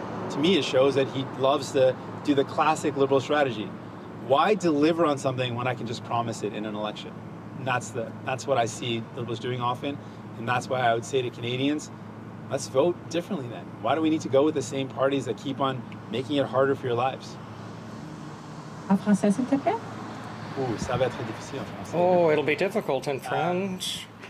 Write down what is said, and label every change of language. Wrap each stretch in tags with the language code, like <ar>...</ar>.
<en>To me, it shows that he loves to do the classic Liberal strategy. Why deliver on something when I can just promise it in an election? And that's what I see Liberals doing often. And that's why I would say to Canadians, let's vote differently then. Why do we need to go with the same parties that keep on making it harder for your lives?</en> <fr>En français, s'il te plaît? Oh, ça va être difficile en français.</fr> <en>Oh, it'll be difficult in French.</en>